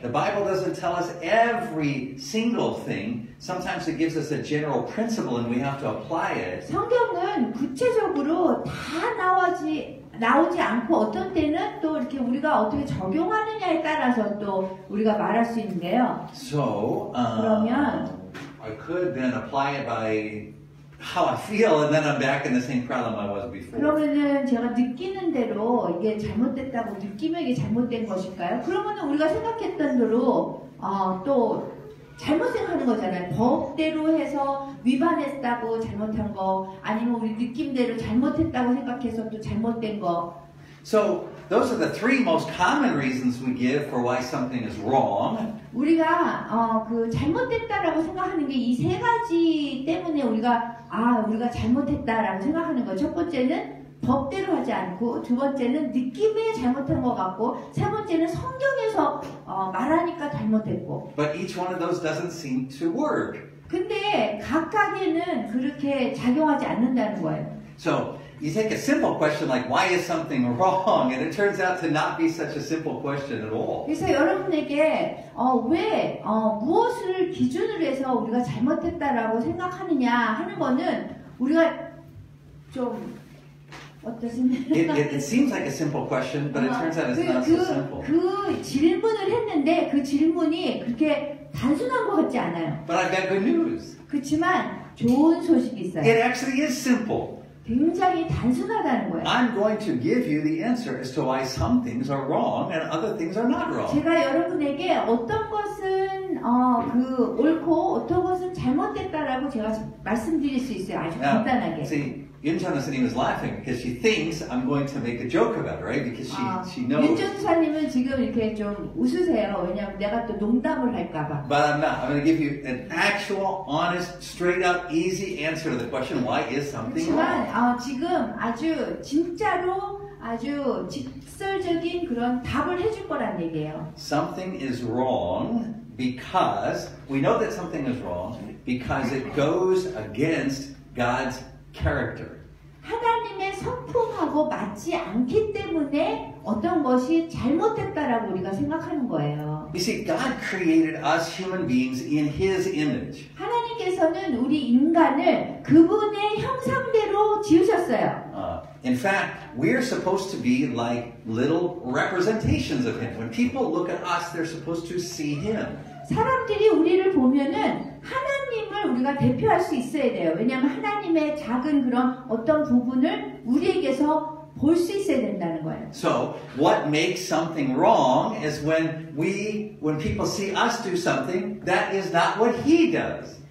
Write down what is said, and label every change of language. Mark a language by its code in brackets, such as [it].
[en] The Bible doesn't tell us every single thing. Sometimes it gives us a general principle and we have to apply it. [ko] 성경은 구체적으로 다 나오지 않고 어떤 때는 또 이렇게 우리가 어떻게 적용하느냐에 따라서 또 우리가 말할 수 있는데요. [en] So, [ko] 그러면 [en] I could then apply it by how I feel and then I'm back in the same problem I was before. [ko] 그러면은 제가 느끼는 대로 이게 잘못됐다고 느끼면 이게 잘못된 것일까요? 그러면은 우리가 생각했던 대로 또 잘못 생각하는 거잖아요. 법대로 해서 위반했다고 잘못한 거 아니면 우리 느낌대로 잘못했다고 생각해서 또 잘못된 거. [en] So those are the three most common reasons we give for why something is wrong. [ko] 우리가 그 잘못됐다라고 생각하는 게 이 세 가지 때문에 우리가 잘못했다라고 생각하는 거. 첫 번째는 법대로 하지 않고 두 번째는 느낌에 잘못한 것 같고 세 번째는 성경에서 말하니까 잘못했고 [en] But each one of those doesn't seem to work. [ko] 근데 각각에는 그렇게 작용하지 않는다는 거예요. [en] So you take a simple question like why is something wrong and it turns out to not be such a simple question at all. [ko] 그래서 여러분에게 무엇을 기준으로 해서 우리가 잘못했다라고 생각하느냐 하는 거는 우리가 좀 [en] it seems like a simple question, but it turns out it's not so simple. [ko] 그 질문을 했는데 그 질문이 그렇게 단순한 것 같지 않아요. [en] But I've got good news. [ko] 그렇지만 좋은 소식이 있어요. [en] It actually is simple. [ko] 굉장히 단순하다는 거예요. [en] I'm going to give you the answer as to why some things are wrong and other things are not wrong. [ko] 제가 여러분에게 어떤 것은 그 옳고 어떤 것은 잘못됐다라고 제가 말씀드릴 수 있어요. 아주 간단하게. [en] See, Yun Chun-sanim is laughing because she thinks I'm going to make a joke about it, right? Because she knows. [ko] 윤 전사님은 지금 이렇게 좀 웃으세요. 왜냐면 내가 또 농담을 할까 봐. [en] But I'm not. I'm going to give you an actual, honest, straight up, easy answer to the question, why is something [ko] 그렇지만, [en] wrong? [ko] 그렇지만 지금 아주 진짜로 아주 직설적인 그런 답을 해줄 거란 얘기예요. [en] Something is wrong. Because we know that something is wrong because it goes against God's character. [ko] 하나님의 성품하고 맞지 않기 때문에 어떤 것이 잘못됐다라고 우리가 생각하는 거예요. [en] You see, God created us human beings in His image. [ko] 하나님께서는 우리 인간을 그분의 형상대로 지으셨어요. [en] In fact, we're supposed to be like little representations of Him. When people look at us, they're supposed to see Him. [ko] 사람들이 우리를 보면은 하나님을 우리가 대표할 수 있어야 돼요. 왜냐하면 하나님의 작은 그런 어떤 부분을 우리에게서 볼 수 있어야 된다는 거예요. [en] So what makes something wrong is when people see us do something that is not what He does.